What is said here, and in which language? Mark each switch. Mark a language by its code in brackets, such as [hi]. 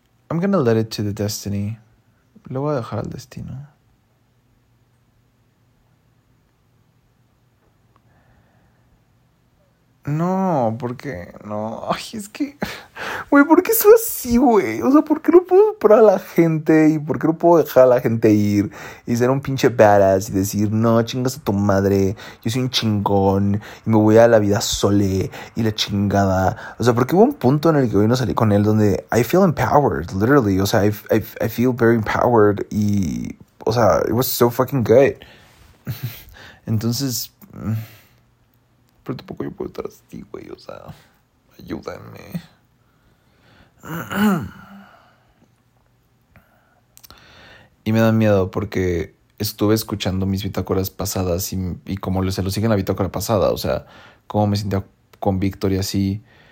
[en] I'm gonna let it to the destiny. [es] Lo voy a dejar al destino. No, ¿por qué? No, ay, es que... Güey, ¿por qué soy así, güey? O sea, ¿por qué no puedo parar a la gente? ¿Y por qué no puedo dejar a la gente ir? Y ser un pinche badass y decir, no, chingas a tu madre. Yo soy un chingón y me voy a la vida sole y la chingada. O sea, porque hubo un punto en el que hoy no salí con él donde [en] I feel empowered, literally. [es] O sea, [en] I feel very empowered [es] y... O sea, [en] it was so fucking good. [es] Entonces... Pero tampoco yo puedo estar así, güey, o sea, ayúdame. Y me da miedo porque estuve escuchando mis bitácoras pasadas y como se lo siguen la bitácora pasada, o sea, cómo me sentía con Víctor y así.